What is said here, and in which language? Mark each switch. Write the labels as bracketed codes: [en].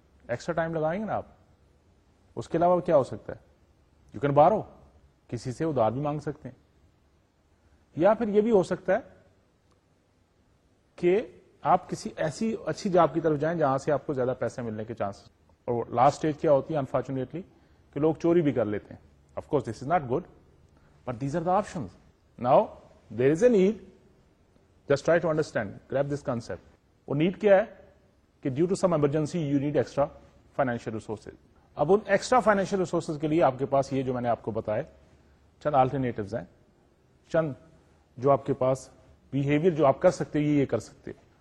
[ur] Extra time لگائیں گے نا آپ, اس کے علاوہ کیا ہو سکتا ہے؟ [en] you can borrow, [ur] کسی سے ادھار بھی مانگ سکتے ہیں. یا پھر یہ بھی ہو سکتا ہے کہ آپ کسی ایسی اچھی جاب کی طرف جائیں جہاں سے آپ کو زیادہ پیسے ملنے کے چانس. اور لاسٹ اسٹیج کیا ہوتی ہے انفارچونیٹلی, کہ لوگ چوری بھی کر لیتے ہیں. [en] Of course this is not good, but these are the option. Now there is a need, just try to understand, grab this concept. [ur] وہ نیڈ کیا ہے؟ کہ [en] Due to some emergency you need extra financial resources. [ur] اب ان extra financial resources کے لیے آپ کے پاس یہ جو میں نے آپ کو بتایا چند آلٹرنیٹوز ہیں, چند جو آپ کے پاس بیہیویئر جو آپ کر سکتے ہو, یہ کر سکتے.